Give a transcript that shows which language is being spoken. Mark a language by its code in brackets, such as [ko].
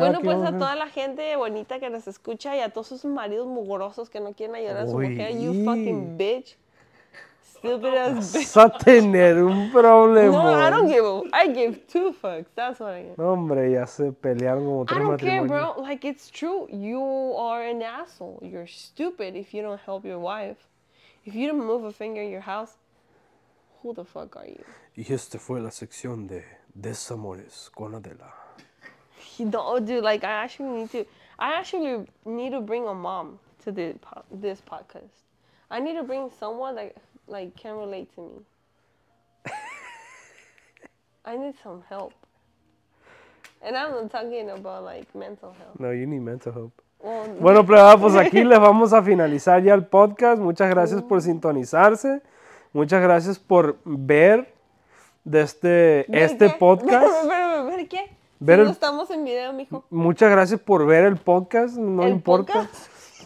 [es] Bueno, pues, a toda la gente bonita que nos escucha y a todos sus maridos mugrosos que no quieren ayudar a su mujer. [en] You fucking bitch. Stupid as bitch. [es] Vas a tener un problema. [en] No, I don't give a... I give two fucks. That's what I get. [es] No, hombre, ya se pelearon como tres matrimonios. [en] I don't care, bro. Like, it's true. You are an asshole. You're stupid if you don't help your wife. If you don't move a finger in your house, who the fuck are you? [es] Y esta fue la sección de... Desamores con Adela. [en] No, dude, like, I actually need to bring a mom to this podcast. I need to bring someone that, like, can relate to me. I need some help. And I'm not talking about, like, mental health. No, you need mental help. [es] Bueno, prueba, pues aquí les vamos a finalizar ya el podcast. Muchas gracias por sintonizarse. Muchas gracias por ver de este podcast. ¿Ver qué? Ver si el... no estamos en video, mijo. Muchas gracias por ver el podcast. No ¿el importa. Podcast?